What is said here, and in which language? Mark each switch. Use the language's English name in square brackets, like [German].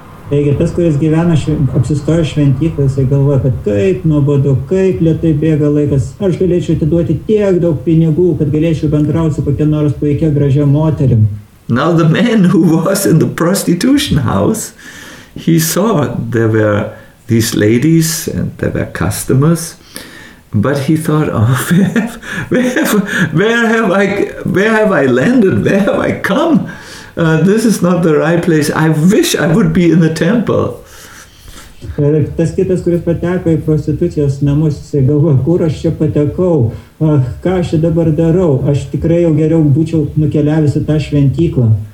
[Lithuanian] Taigi, tas, kuris gyvena, apsistojo šventyklai, jisai galvoja, kad kaip nuobodu, kaip lietai bėga laikas, aš galėčiau atiduoti tiek daug pinigų, kad galėčiau bendrauti su kokia nors puikia gražia moterim. [English] Now the man who was in the prostitution house, he saw there were these ladies and there were customers, but he thought, oh, where have I landed? Where have I come? This is not the right place. I wish I would be in the temple. [Lithuanian] Ir tas kitas, kuris pateko į prostitucijos namus, jisai galvoja, kur aš čia patekau, ką aš dabar darau, aš tikrai jau geriau būčiau nukeliavęs į tą šventyklą.